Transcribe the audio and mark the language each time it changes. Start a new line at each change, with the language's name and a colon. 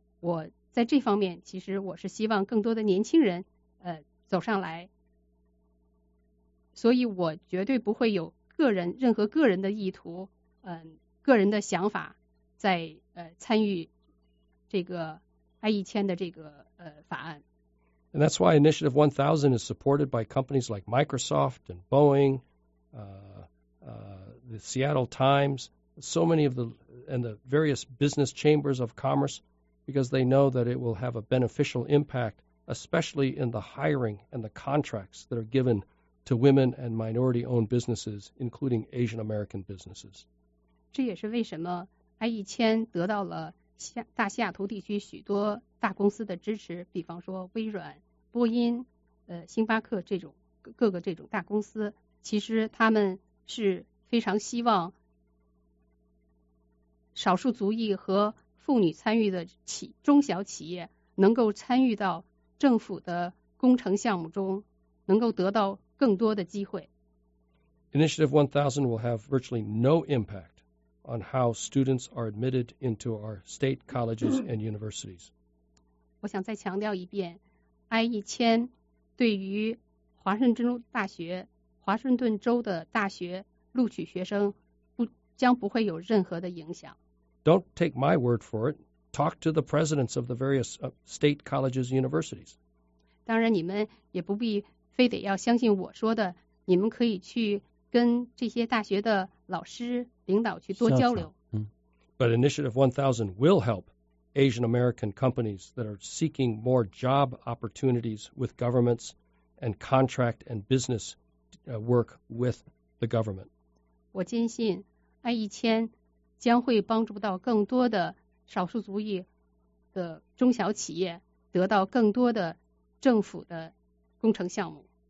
Chinese: 我在这方面其实我是希望更多的年轻人走上来，所以我绝对不会有任何个人的意图个人的想法在参与这个 I-1000 的这个法案。
English: And that's why Initiative 1000 is supported by companies like Microsoft and Boeing, the Seattle Times, so many of the various business chambers of commerce, because they know that it will have a beneficial impact, especially in the hiring and the contracts that are given to women and minority-owned businesses, including Asian-American businesses.
Chinese: 这也是为什么 I-1000 得到了大西雅图地区许多大公司的支持，比方说微软、波音、星巴克这种各个这种大公司，其实他们是非常希望少数族裔和妇女参与的中小企业能够参与到政府的工程项目中，能够得到更多的机会。
English: Initiative 1000 will have virtually no impact on how students are admitted into our state colleges and universities.
Chinese: 我想再强调一遍 ，I-1000 对于华盛顿州的大学录取学生将不会有任何的影响。
English: Don't take my word for it. Talk to the presidents of the various state colleges and universities.
Chinese: 当然，你们也不必非得要相信我说的，你们可以去跟这些大学的老师、领导去多交流。
English: But Initiative 1000 will help Asian American companies that are seeking more job opportunities with governments and contract and business work with the government.
Chinese: 我坚信 I-1000 将会帮助到更多的少数族裔的中小企业得到更多的政府的工程项目。